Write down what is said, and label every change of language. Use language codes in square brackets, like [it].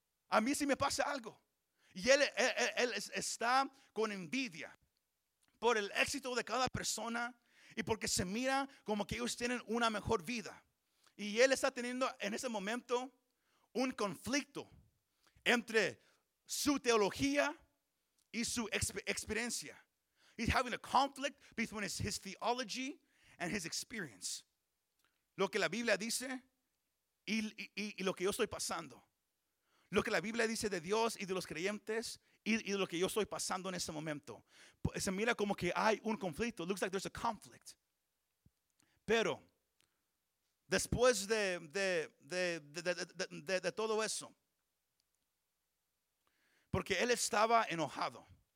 [es] A mí sí me pasa algo. Y él está con envidia por el éxito de cada persona. Y porque se mira como que ellos tienen una mejor vida. Y él está teniendo en ese momento un conflicto entre su teología y su experiencia. [en] He's having a conflict between his theology and his experience. [es] Lo que la Biblia dice y lo que yo estoy pasando. Lo que la Biblia dice de Dios y de los creyentes y de lo que yo estoy pasando en este momento. Se mira como que hay un conflicto. [en] It looks like there's a conflict. [es] Pero después de todo eso, porque él estaba enojado.